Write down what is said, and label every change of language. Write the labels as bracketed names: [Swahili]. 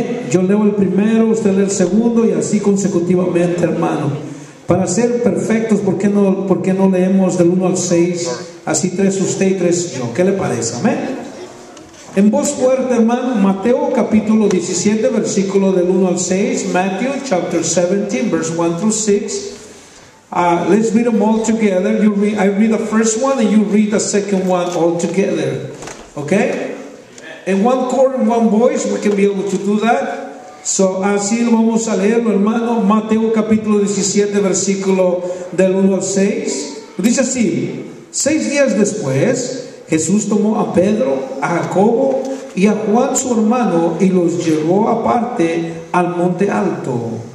[Spanish] Yo leo el primero, usted lee el segundo y así consecutivamente, hermano, para ser perfectos. ¿Por qué no leemos del 1 al 6? Así tres usted y tres yo. ¿Qué le parece? Amén. En voz fuerte, hermano. Mateo capítulo 17, versículo del 1 al 6. [English] Matthew chapter 17, verse 1 through 6. Let's read them all together. I read the first one and you read the second one all together. Okay? En one chord and one voice, we can be able to do that. [Spanish] So, así lo vamos a leerlo, hermano. Mateo capítulo 17, versículo del 1 al 6. Dice así: seis días después, Jesús tomó a Pedro, a Jacobo y a Juan su hermano y los llevó aparte al monte alto.